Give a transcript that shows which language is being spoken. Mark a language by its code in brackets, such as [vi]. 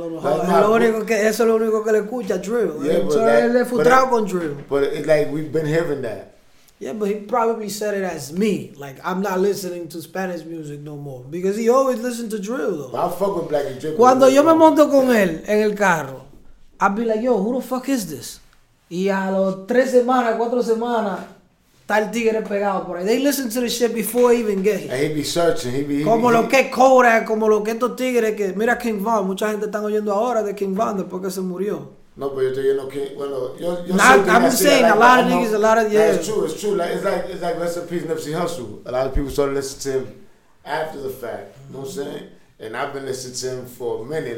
[es] Eso es lo único que le escucha, drill. [en] Yeah, [es] él [en] that, [es] le frustrado con drill. [en] But it's like, we've been hearing that. Yeah, but he probably said it as me. Like, I'm not listening to Spanish music no more. Because he always listened to drill, though. But I fuck with Blacky Drippy. [es] Cuando yo me monto con él en el carro, [en] I'd be like, yo, who the fuck is this? [es] Y a los 3 semanas, 4 semanas, está el tigre pegado por ahí. [en] They listen to this shit before he even get here. And he be searching. He [es] como [en] he, [es] lo que cobra, como lo que estos tigres que... Mira King Von, mucha gente está oyendo ahora de King Von después que se murió. No, pero yo estoy oyendo King... Bueno, yo nah, soy... [en] I'm saying like, a lot of niggas, a lot of... Yeah, it's true. Like, it's like rest in peace, Nipsey Hussle. A lot of people started listening to him after the fact. Mm-hmm. You know what I'm saying? And I've been listening to him for a minute.